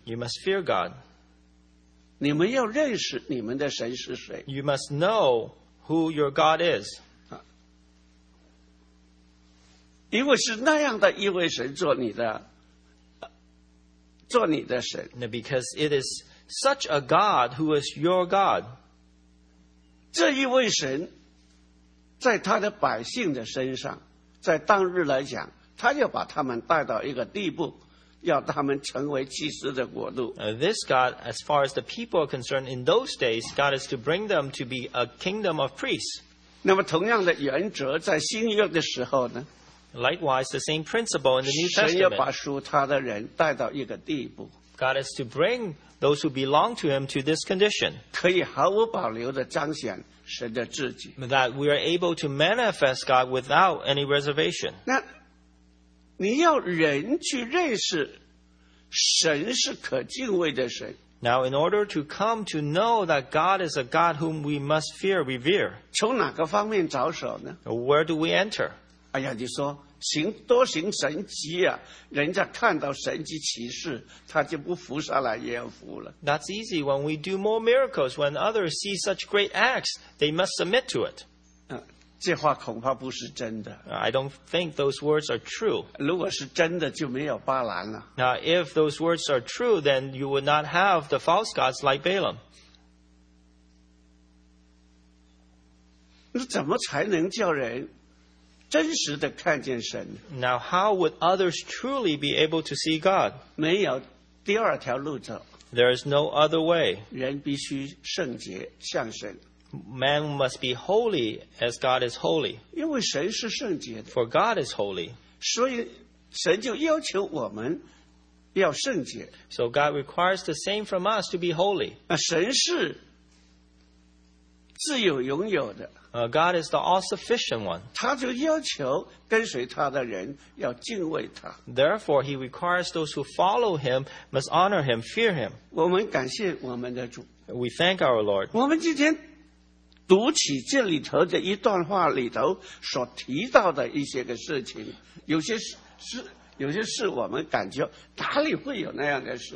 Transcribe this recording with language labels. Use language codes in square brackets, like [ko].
[en] You must fear God. [zh] 你们要认识你们的神是谁。 [en] You must know who your God is. [zh] 因为是那样的一位神做你的神。 [en] Because it is such a God who is your God. [zh] 这一位神在他的百姓的身上,在当日来讲, 他就把他们带到一个地步, 要他们成为祭司的国度。 [en] This God, as far as the people are concerned, in those days, God is to bring them to be a kingdom of priests. [zh] 那么同样的原则在新约的时候呢, [en] likewise, the same principle in the New Testament. [zh] 神要把属他的人带到一个地步。 [en] God is to bring those who belong to him to this condition. [zh] 可以毫无保留地彰显神的自己。 [en] That we are able to manifest God without any reservation. [zh] 那你要人去认识神是可敬畏的神。 [en] Now, in order to come to know that God is a God whom we must fear, revere. [zh] 从哪个方面着手呢? [en] Where do we enter? [zh] 哎呀，你说。行多行神迹啊, 人家看到神迹奇事, 他就不服下来也要服了。 [en] That's easy. When we do more miracles, when others see such great acts, they must submit to it. [zh] 这话恐怕不是真的。 [en] I don't think those words are true. [zh] 如果是真的就没有巴兰了。 [en] Now, if those words are true, then you would not have the false gods like Balaam. [zh] 那怎么才能叫人 真实地看见神。 [en] Now, how would others truly be able to see God? [zh] 没有第二条路走。 [en] There is no other way. [zh] 人必须圣洁向神。 [en] Man must be holy as God is holy. [zh] 因为神是圣洁的。 [en] For God is holy. [zh] 所以神就要求我们要圣洁。 [en] So God requires the same from us to be holy. [zh] 神是自由拥有的。 [en] God is the all-sufficient one. [zh] 他就要求跟随他的人要敬畏他。 [en] Therefore, he requires those who follow him must honor him, fear him. [zh] 我们感谢我们的主。 [en] We thank our Lord. [zh] 我们今天读起这里头的一段话里头所提到的一些个事情, 有些是, 有些事我们感觉哪里会有那样的事。